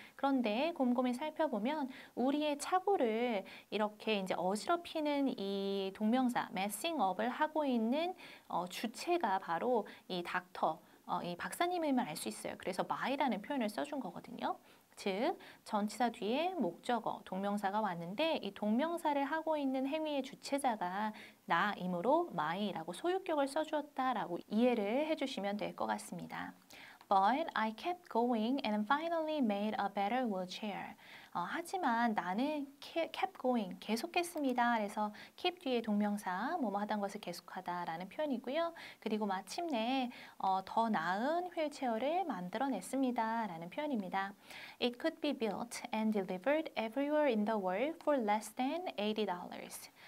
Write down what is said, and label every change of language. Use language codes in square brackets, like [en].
[ko] 그런데 곰곰이 살펴보면 우리의 착오를 이렇게 이제 어지럽히는 이 동명사 messing up을 하고 있는 주체가 바로 이 닥터, 이 박사님임을 알수 있어요. 그래서 my라는 표현을 써준 거거든요. 즉, 전치사 뒤에 목적어, 동명사가 왔는데 이 동명사를 하고 있는 행위의 주체자가 나이므로 my라고 소유격을 써주었다라고 이해를 해주시면 될것 같습니다. [en] But I kept going and finally made a better wheelchair. [ko] 하지만 나는 kept going, 계속했습니다. 그래서 keep 뒤에 동명사, 뭐뭐 하던 것을 계속하다라는 표현이고요. 그리고 마침내 더 나은 휠체어를 만들어냈습니다라는 표현입니다. [en] It could be built and delivered everywhere in the world for less than $80.